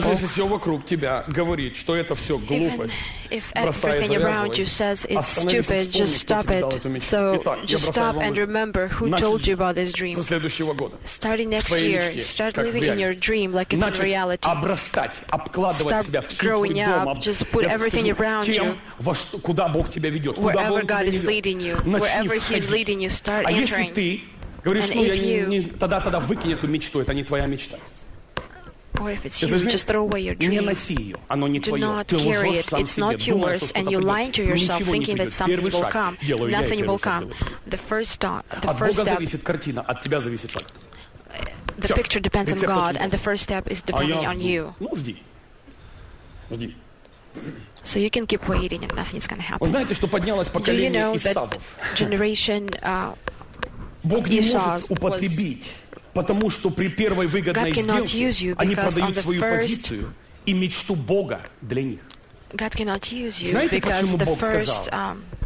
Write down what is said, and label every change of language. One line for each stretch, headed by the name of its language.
Russian: Даже если все вокруг тебя говорит, что это все глупость,
English: if everything around you says it's stupid, just stop it. So just stop and remember who told you about this dream. Starting next year, start living in your dream like it's in reality. Start growing up, just put everything around you.
Russian: Куда Бог тебя ведет?
English: Wherever God is leading you, wherever He's leading you, start entering.
Russian: Говоришь, ну я не тогда выкинь эту мечту, это не твоя мечта. Не носи ее, оно не твое. Ты лжешь сам себе, думаешь, что кто-то будет. Ничего не придет. Первый шаг делаю я, первый шаг делаю. От Бога зависит картина, от тебя зависит факт.
English: The picture depends on God, and the first step is depending on you.
Russian: Ну, жди. Жди.
English: So you can keep waiting, and nothing's going to happen.
Russian: Вы знаете, что поднялось поколение Исавов?
English: Generation...
Russian: Бог не может употребить, потому что при первой выгодной сделке они продают свою позицию и мечту Бога для них. Знаете, почему Бог сказал